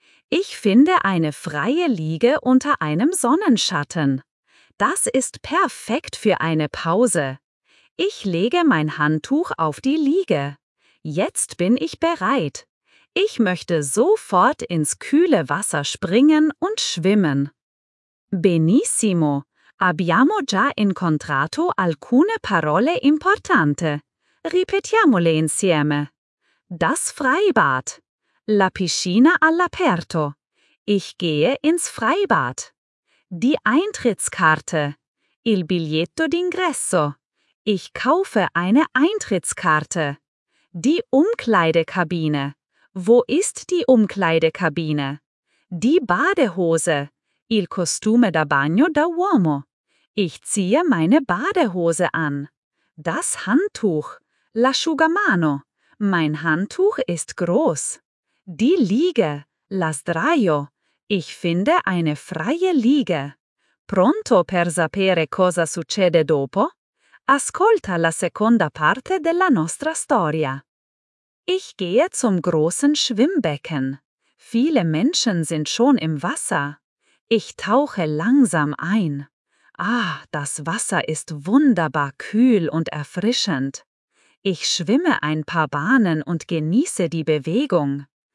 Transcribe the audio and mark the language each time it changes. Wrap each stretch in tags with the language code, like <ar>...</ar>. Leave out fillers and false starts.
<de>Ich finde eine freie Liege unter einem Sonnenschatten. Das ist perfekt für eine Pause. Ich lege mein Handtuch auf die Liege. Jetzt bin ich bereit. Ich möchte sofort ins kühle Wasser springen und schwimmen.</de> <it>Benissimo. Abbiamo già incontrato alcune parole importante. Ripetiamole insieme.</it> <de>Das Freibad.</de> <it>La piscina all'aperto.</it> <de>Ich gehe ins Freibad. Die Eintrittskarte.</de> <it>Il biglietto d'ingresso.</it> <de>Ich kaufe eine Eintrittskarte. Die Umkleidekabine. Wo ist die Umkleidekabine? Die Badehose.</de> <it>Il costume da bagno da uomo.</it> <de>Ich ziehe meine Badehose an. Das Handtuch.</de> <it>L'asciugamano.</it> <de>Mein Handtuch ist groß. Die Liege.</de> <it>La sdraio.</it> <de>Ich finde eine freie Liege.</de> <it>Pronto per sapere cosa succede dopo? Ascolta la seconda parte della nostra storia.</it> <de>Ich gehe zum großen Schwimmbecken. Viele Menschen sind schon im Wasser. Ich tauche langsam ein. Ah, das Wasser ist wunderbar kühl und erfrischend. Ich schwimme ein paar Bahnen und genieße die Bewegung.</de>